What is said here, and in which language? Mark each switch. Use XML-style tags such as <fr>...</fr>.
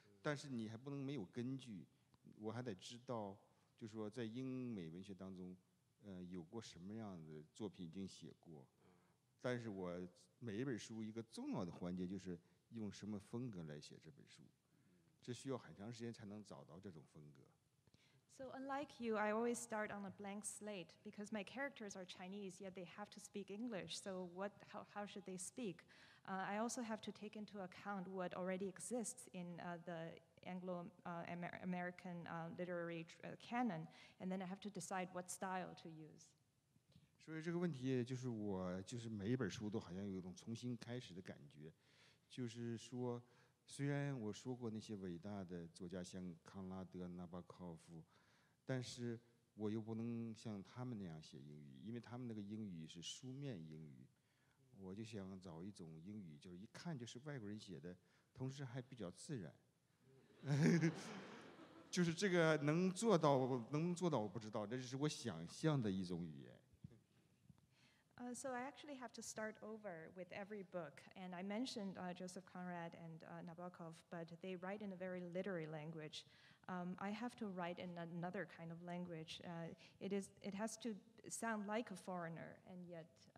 <zh>但是你还不能没有根据，我还得知道就是说在英美文学当中有过什么样的作品已经写过，但是我每一本书一个重要的环节就是用什么风格来写这本书，这需要很长时间才能找到这种风格。</zh> <en>So unlike you, I always start on a blank slate because my characters are Chinese, yet they have to speak English. So what, how should they speak? I also have to take into account what already exists in the Anglo-American literary canon, and then I have to decide what style to use.</en> <zh>所以这个问题就是我就是每一本书都好像有一种重新开始的感觉，就是说虽然我说过那些伟大的作家像康拉德、纳巴考夫，但是我又不能像他们那样写英语，因为他们那个英语是书面英语，我就想找一种英语就是一看就是外国人写的，同时还比较自然。就是这个能做到我不知道，这是我想象的一种语言。</zh> <en>So I actually have to start over with every book, and I mentioned Joseph Conrad and Nabokov, but they write in a very literary language. I have to write in another kind of language. It has to sound like a foreigner, and yet...</en>